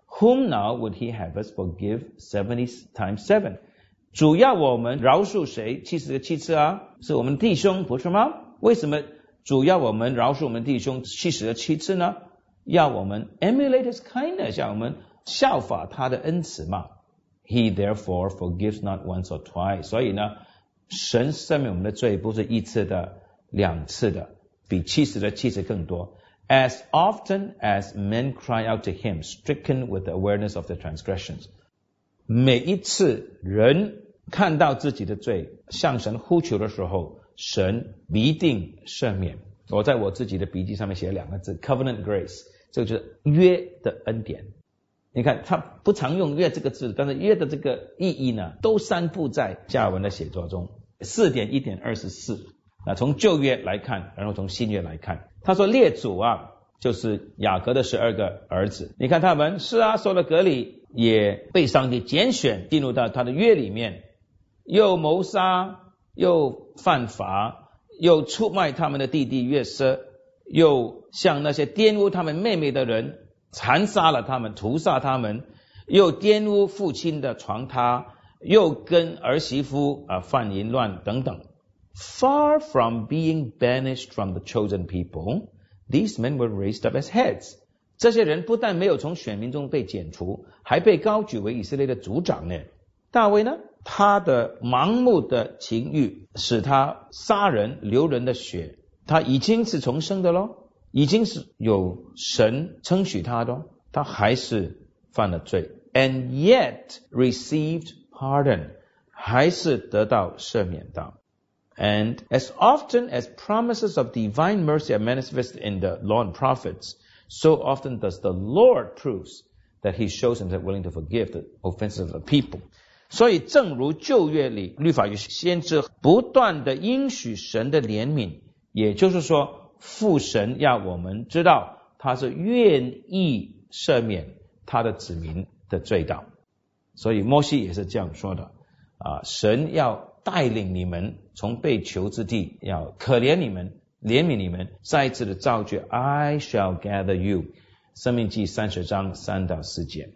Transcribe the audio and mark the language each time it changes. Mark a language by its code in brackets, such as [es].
[en] Whom now would he have us forgive 70 times 7？ [zh] 主要我们饶恕谁77次啊？是我们弟兄不是吗？为什么主要我们饶恕我们弟兄77次呢？要我们 [en] emulate his kindness， [zh] 要我们效法他的恩慈嘛。 [en] He therefore forgives not once or twice， [zh] 所以呢神赦免我们的罪不是一次的两次的，比77次更多。 [en] As often as men cry out to him, stricken with the awareness of their transgressions. [zh] 每一次人看到自己的罪，向神呼求的时候，神必定赦免。我在我自己的笔记上面写了两个字， [en] covenant grace， [zh] 这个就是约的恩典。你看，他不常用约这个字，但是约的这个意义呢，都散布在加尔文的写作中。 4:1-24，那从旧约来看，然后从新约来看。他说列祖啊，就是雅各的十二个儿子，你看他们是啊，受了隔离也被上帝拣选进入到他的约里面，又谋杀又犯法，又出卖他们的弟弟约瑟，又向那些玷污他们妹妹的人残杀了他们，屠杀他们，又玷污父亲的床榻，又跟儿媳妇犯淫乱等等。 [en] Far from being banished from the chosen people, these men were raised up as heads. [zh] 这些人不但没有从选民中被剪除，还被高举为以色列的族长呢。大卫呢，他的盲目的情欲使他杀人流人的血，他已经是重生的咯，已经是有神称许他的，他还是犯了罪。 [en] And yet received pardon, [zh] 还是得到赦免的。 [en] And as often as promises of divine mercy are manifested in the law and prophets, so often does the Lord prove that he shows himself willing to forgive the offenses of the people. [zh] 所以正如旧约里律法与先知不断地应许神的怜悯，也就是说父神要我们知道他是愿意赦免他的子民的罪道。所以摩西也是这样说的啊，神要带领你们从被囚之地，要可怜你们，怜悯你们，再次的造句 [en] I shall gather you， [zh] 生命记30:3-4。